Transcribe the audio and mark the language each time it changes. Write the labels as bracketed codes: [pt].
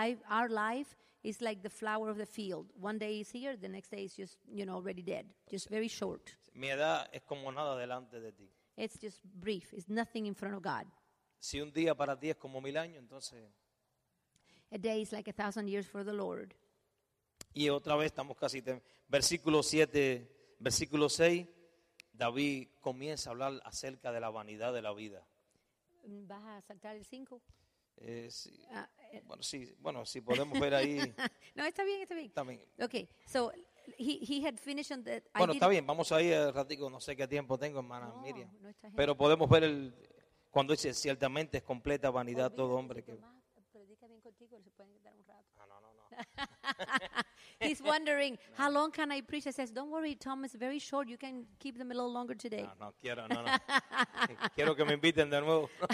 [en] Our life is like the flower of the field. One day is here, the next day is just, you know, already dead. Just very short. [es] Mi edad es como nada delante de ti. [en] It's just brief. It's nothing in front of God. [es] Si un día para ti es como mil años, entonces... [en] A day is like 1,000 years for the Lord. [es] Y otra vez estamos casi... Versículo 7, versículo 6, David comienza a hablar acerca de la vanidad de la vida. ¿Vas a saltar el 5? Sí, podemos ver ahí. No, está bien. También. [en] Okay, so he had finished on that. [es] Bueno, está bien, vamos ahí un ratico, no sé qué tiempo tengo, hermana Miriam. No, pero podemos ver cuando dice, ciertamente es completa vanidad todo hombre que... Predica bien contigo, se pueden quedar un rato. No. [en] He's wondering, no. How long can I preach? I says, don't worry, Tom, it's very short. You can keep them a little longer today. [es] No, quiero que me inviten de nuevo.